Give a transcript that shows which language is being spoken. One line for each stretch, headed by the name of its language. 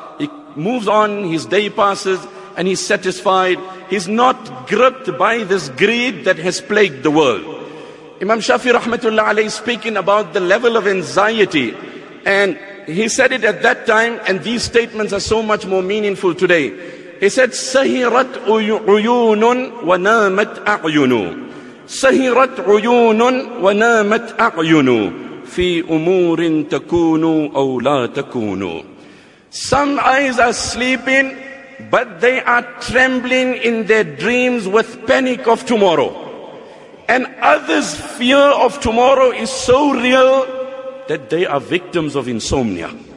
English: He moves on, his day passes, and he's satisfied. He's not gripped by this greed that has plagued the world. Imam Shafi rahmatullah alayhi is speaking about the level of anxiety. And he said it at that time, and these statements are so much more meaningful today. He said,
Arabic: سَهِرَتْ عُيُونٌ وَنَامَتْ أَعْيُنُ سَهِرَتْ عُيُونٌ وَنَامَتْ أَعْيُنُ فِي أُمُورٍ تَكُونُ أَوْ لَا تَكُونُ.
English: Some eyes are sleeping, but they are trembling in their dreams with panic of tomorrow. And others' fear of tomorrow is so real that they are victims of insomnia.